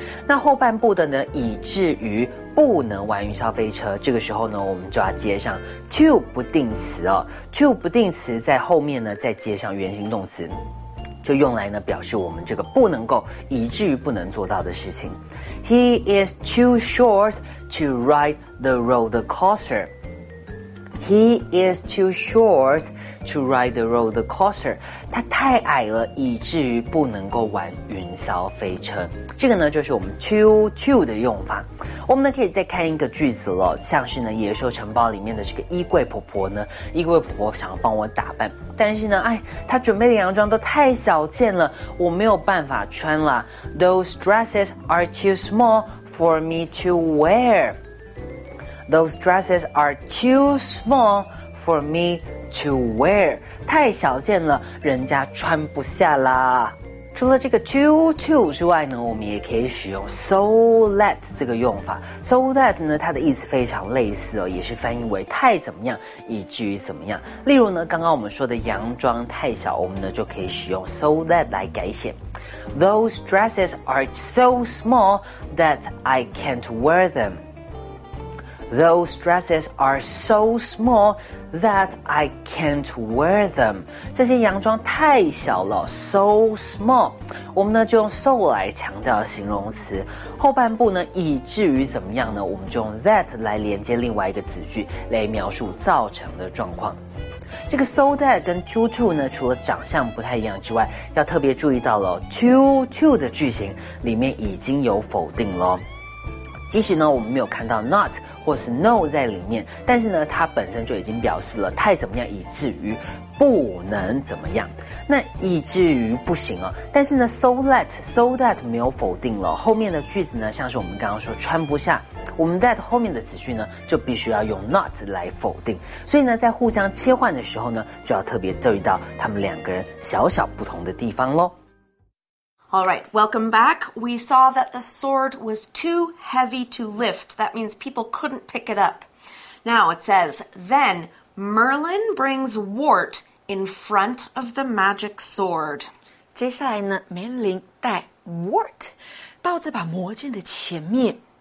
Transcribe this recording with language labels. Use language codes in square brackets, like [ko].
[zh] 那后半部的呢，以至于不能玩云霄飞车，这个时候呢，我们就要接上 too 不定词哦。 Too 不定词在后面呢，再接上原形动词，就用来呢表示我们这个不能够，以至于不能做到的事情。 [en] He is too short to ride the roller coaster. He is too short to ride the roller coaster. [zh] 他太矮了，以至于不能够玩云霄飞车。这个呢，就是我们 too 的用法。我们呢，可以再看一个句子了，像是呢，野兽城堡里面的这个衣柜婆婆呢，衣柜婆婆想要帮我打扮，但是呢，哎，她准备的洋装都太小件了，我没有办法穿了。 [en] Those dresses are too small for me to wear. Those dresses are too small for me to wear. [zh] 太小件了，人家穿不下啦。除了这个 too 之外呢，我们也可以使用 so that 这个用法。 So that 呢，它的意思非常类似哦，也是翻译为太怎么样，以至于怎么样。例如呢，刚刚我们说的洋装太小，我们呢就可以使用 so that 来改写。 [en] Those dresses are so small that I can't wear them. Those dresses are so small that I can't wear them. [zh] 这些洋装太小了 , [en] so small. [zh] 我们呢就用 so 来强调形容词。后半部呢以至于怎么样呢，我们就用 that 来连接另外一个子句来描述造成的状况。这个 so that 跟 too 呢，除了长相不太一样之外，要特别注意到了 too 的句型里面已经有否定了。即使呢我们没有看到 not 或是 no 在里面，但是呢它本身就已经表示了太怎么样，以至于不能怎么样，那以至于不行哦。但是呢 so that 没有否定了，后面的句子呢像是我们刚刚说穿不下，我们 that 后面的词句呢就必须要用 not 来否定，所以呢在互相切换的时候呢就要特别注意到他们两个人小小不同的地方咯。 [en] All right, welcome back. We saw that the sword was too heavy to lift. That means people couldn't pick it up. Now it says, then Merlin brings Wart in front of the magic sword. [zh] 接下来呢 ,Merlin 带 Wart 到这把魔剑的前面。